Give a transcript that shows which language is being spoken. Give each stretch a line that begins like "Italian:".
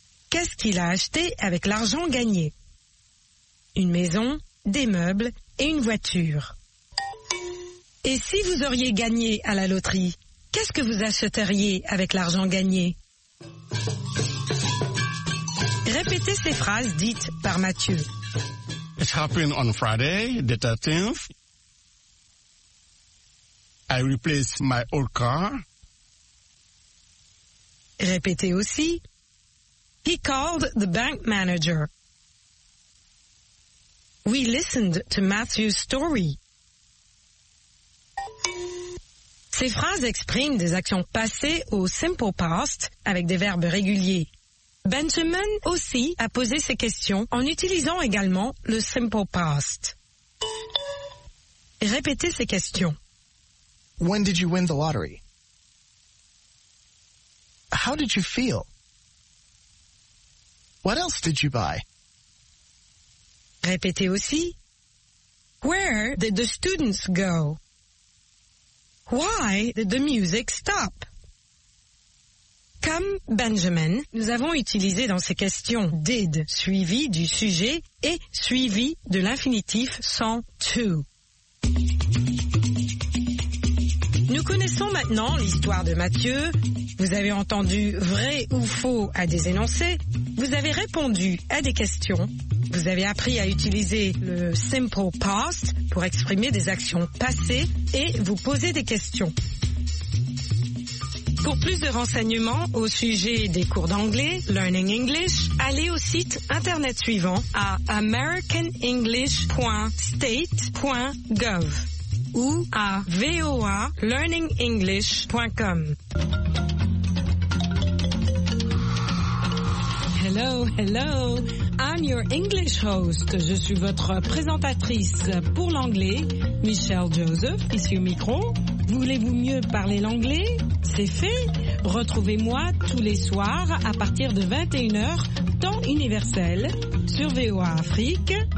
French: Qu'est-ce qu'il a acheté avec l'argent gagné? Une maison, des meubles et une voiture. Et si vous auriez gagné à la loterie, qu'est-ce que vous achèteriez avec l'argent gagné? Répétez ces phrases dites par Mathieu.
English: It happened on Friday, the 13th. I replace my old car.
French: Répétez aussi.
English: He called the bank manager. We listened to Matthew's story.
French: Ces phrases expriment des actions passées au simple past avec des verbes réguliers. Benjamin aussi a posé ces questions en utilisant également le simple past. Répétez ces questions.
English: When did you win the lottery? How did you feel? What else did you buy?
French: Répétez aussi.
English: Where did the students go? Why did the music stop?
French: Comme Benjamin, nous avons utilisé dans ces questions did suivi du sujet et suivi de l'infinitif sans to. Nous connaissons maintenant l'histoire de Mathieu. Vous avez entendu vrai ou faux à des énoncés. Vous avez répondu à des questions. Vous avez appris à utiliser le simple past pour exprimer des actions passées et vous poser des questions. Pour plus de renseignements au sujet des cours d'anglais, Learning English, allez au site internet suivant à americanenglish.state.gov ou à voalearningenglish.com.
English: Hello, hello, I'm your English host.
French: Je suis votre présentatrice pour l'anglais, Michelle Joseph, ici au micro. Voulez-vous mieux parler l'anglais? C'est fait. Retrouvez-moi tous les soirs à partir de 21h, temps universel, sur VOA Afrique.